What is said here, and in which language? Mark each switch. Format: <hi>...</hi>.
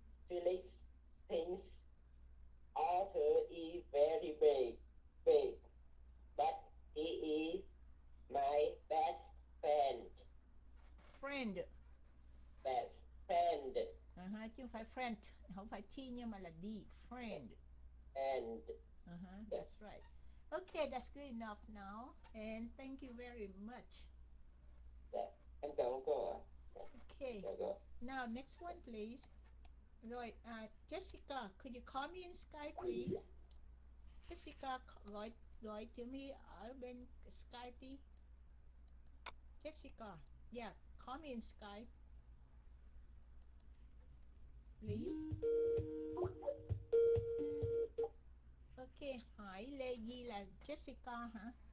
<en>Felix thinks Arthur is very big, but he is my best friend. Friend. Best friend.</en> <vi>Uh-huh, chứ không phải friend, không phải T nhưng mà là D, friend.</vi> <en>And. Uh-huh, that's right. Okay, that's good enough now, and thank you very much.</en> <vi>Em cảm ơn cô ạ.</vi> <en>Okay, now next one please.</en> <vi>Rồi,</vi> <en>Jessica, could you call me in Skype, please?</en> <vi>Jessica, gọi</vi> <en>to me</en> <vi>ở bên Skype đi.</vi> <en>Jessica, yeah, call me in Skype. Please.</en> <vi>Okay, hỏi Lê Di là Jessica, hả?</vi>